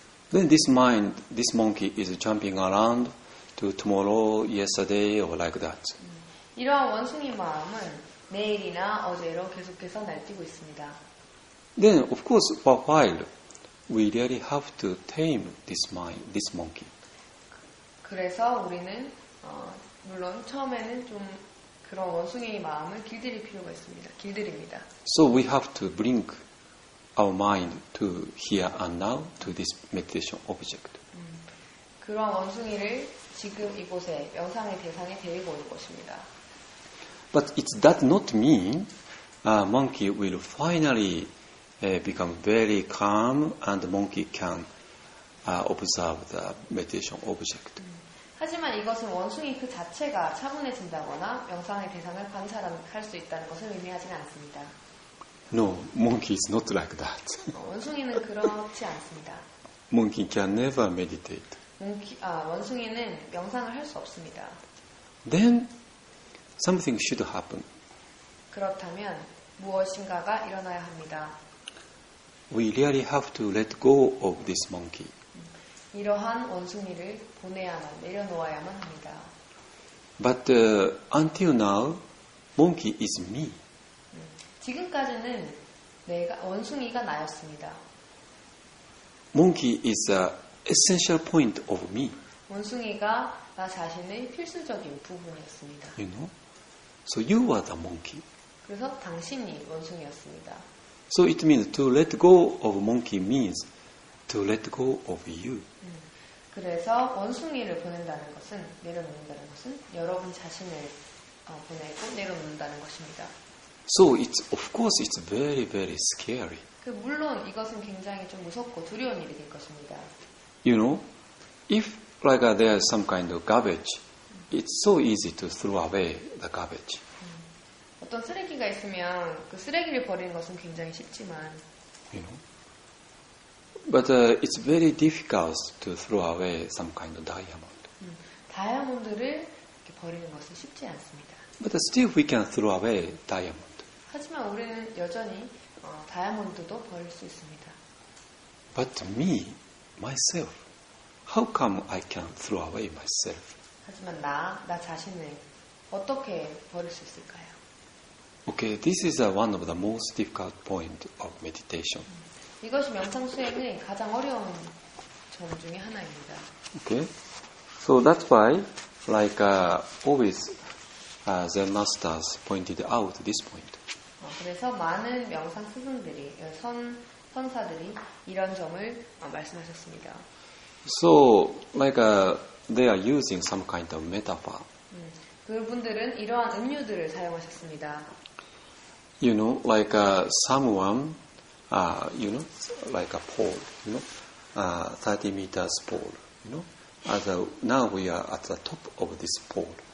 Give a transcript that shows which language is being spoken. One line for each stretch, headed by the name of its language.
English: Then this mind, this monkey is jumping around to tomorrow, yesterday, or like that.
Korean: 이러한 원숭이 마음은 내일이나 어제로 계속해서 날뛰고 있습니다.
English: Then of course, for a while, we really have to tame this mind, this monkey.
Korean: 그래서 우리는 물론 처음에는 좀 그런 원숭이의 마음을 길들일 필요가 있습니다. 길들입니다.
English: So we have to bring our mind to here and now to this meditation object.
Korean: 그런 원숭이를 지금 이곳에 명상의 대상에 데리고 올 것입니다.
English: But it does not mean a monkey will finally become very calm and the monkey can observe the meditation object.
Korean: 하지만 이것은 원숭이 그 자체가 차분해진다거나 명상의 대상을 관찰할 수 있다는 것을 의미하지는 않습니다.
English: No, monkey is not like that.
Korean: 원숭이는 그렇지 않습니다.
English: Monkey can never meditate.
Korean: 원숭이는 명상을 할 수 없습니다.
English: Then something should happen.
Korean: 그렇다면 무엇인가가 일어나야 합니다.
English: We really have to let go of this monkey.
Korean: 이러한 원숭이를 보내야만 내려놓아야만 합니다.
English: But until now, monkey is me.
Korean: 지금까지는 내가 원숭이가 나였습니다.
English: Monkey is an essential point of me.
Korean: 원숭이가 나 자신의 필수적인 부분이었습니다.
English: You know? So you are the monkey.
Korean: 그래서 당신이 원숭이였습니다.
English: So it means to let go of monkey means to let go of you.
Korean: 그래서 원숭이를 보낸다는 것은 내려놓는다는 것은 여러분 자신을 보내고 내려놓는다는 것입니다.
English: So it's of course it's very very scary.
Korean: 그 물론 이것은 굉장히 좀 무섭고 두려운 일이 될 것입니다.
English: You know, if like there is some kind of garbage, it's so easy to throw away the garbage.
Korean: 어떤 쓰레기가 있으면 그 쓰레기를 버리는 것은 굉장히 쉽지만.
English: You know. But it's very difficult to throw away some kind of diamond.
Korean: 다이아몬드를 이렇게 버리는 것은 쉽지 않습니다.
English: But still we can throw away diamond.
Korean: 하지만 우리는 여전히 다이아몬드도 버릴 수 있습니다.
English: But me, myself, how come I can throw away myself?
Korean: 하지만 나 자신을 어떻게 버릴 수 있을까요?
English: Okay, this is one of the most difficult point of meditation.
Korean: 이것이 명상 수행의 가장 어려운 점 중에 하나입니다.
English: Okay, so that's why, like always, Zen masters pointed out this point.
Korean: 그래서 많은 명상 스승들이 선사들이 이런 점을 말씀하셨습니다.
English: So, like they are using some kind of metaphor.
Korean: 그분들은 이러한 음유들을 사용하셨습니다.
English: You know, like someone, you know, like a pole, you know, 30 meters pole, you know. Now we are at the top of this pole.